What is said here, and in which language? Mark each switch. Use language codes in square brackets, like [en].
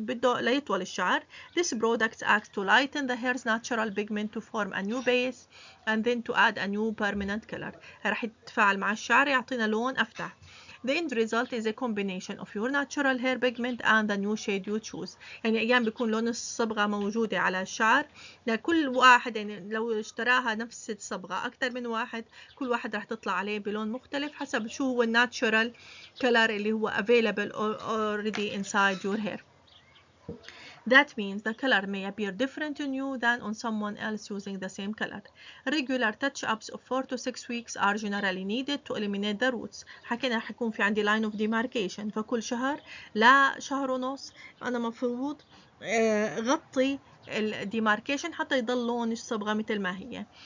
[ar] بده ليطول الشعر. [en] this product acts to lighten the hair's natural pigment to form a new base and then to add a new permanent color. [ar] رح يتفاعل مع الشعر يعطينا لون أفتح. [en] The end result is a combination of your natural hair pigment and the new shade you choose. [ar] يعني أيام بيكون لون الصبغة موجودة على الشعر، لكل واحد يعني لو اشتراها نفس الصبغة أكثر من واحد، كل واحد راح تطلع عليه بلون مختلف حسب شو هو الناتشورال كلر اللي هو [en] available already inside your hair. That means the color may appear different on you than on someone else using the same color. Regular touch-ups of 4 to 6 weeks are generally needed to eliminate the roots. [ar] حكينا رح يكون في عندي [en] line of demarcation، [ar] فكل شهر لا شهر ونص أنا مفروض غطي ال demarcation حتى يضل لون الصبغة مثل ما هي.